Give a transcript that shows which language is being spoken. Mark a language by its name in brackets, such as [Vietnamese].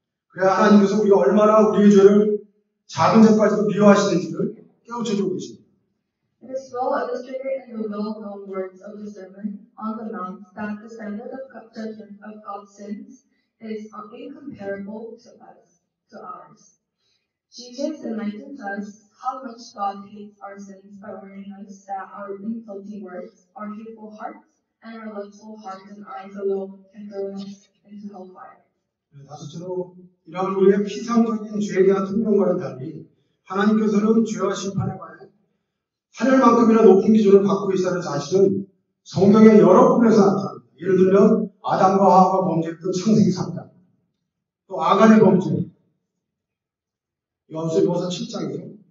[Korean] 그래야 하나님께서 우리가 얼마나 우리의 죄를 작은 죄까지도 미워하시는지를 [English] It is well illustrated in the well-known words of the Sermon on the Mount that the standard of judgment of God's sins is incomparable to us, to ours. Jesus enlightens us how much God hates our sins by warning us that our insulting words, our hateful hearts, and our lustful hearts and eyes alone can throw us into hellfire. [Korean] 다섯째로 이러한 우리의 피상적인 죄에 대한 통용과는 달리 하나님께서는 죄와 심판에 관해 하늘만큼이나 높은 기준을 갖고 있다는 사실은 성경의 여러 부분에서 나타납니다. 예를 들면 아담과 하와가 범죄했던 창세기 3장, 또 아간의 범죄, 요한서 7장이에요.